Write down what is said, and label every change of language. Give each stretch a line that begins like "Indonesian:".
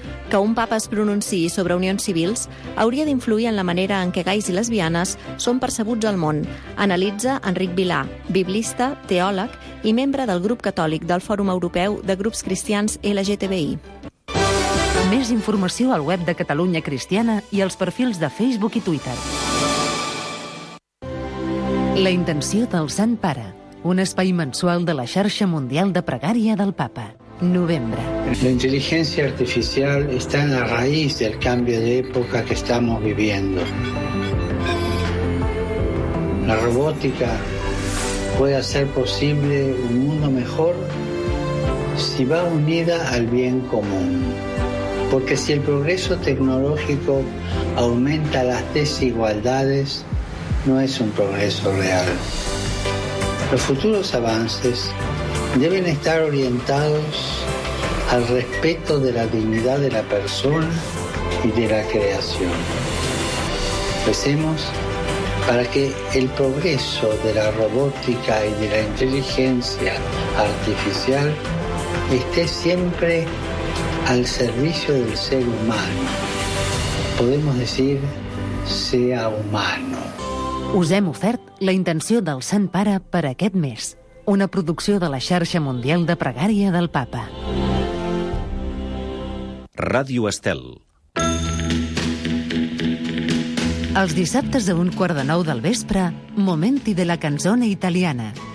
Catalan: Que un papa es pronunciï sobre unions civils hauria d'influir en la manera en què gais i lesbianes són percebuts al món, analitza Enric Vilà, biblista, teòleg i membre del grup catòlic del Fòrum Europeu de Grups Cristians LGTBI. Més informació al web de Catalunya Cristiana i als perfils de Facebook i Twitter. La intenció del Sant Pare, un espai mensual de la xarxa mundial de pregària del Papa. Novembre.
Spanish: La inteligencia artificial está en la raíz del cambio de época que estamos viviendo. La robótica puede hacer posible un mundo mejor si va unida al bien común. Porque si el progreso tecnológico aumenta las desigualdades, no es un progreso real. Los futuros avances deben estar orientados al respeto de la dignidad de la persona y de la creación. Recemos para que el progreso de la robótica y de la inteligencia artificial esté siempre al servicio del ser humano. Podemos decir, sea humano.
Catalan: Us hem ofert la intenció del Sant Pare per aquest mes, una producció de la xarxa mundial de pregària del Papa. Ràdio Estel. Els dissabtes a un quart de nou del vespre, Momenti della canzone italiana.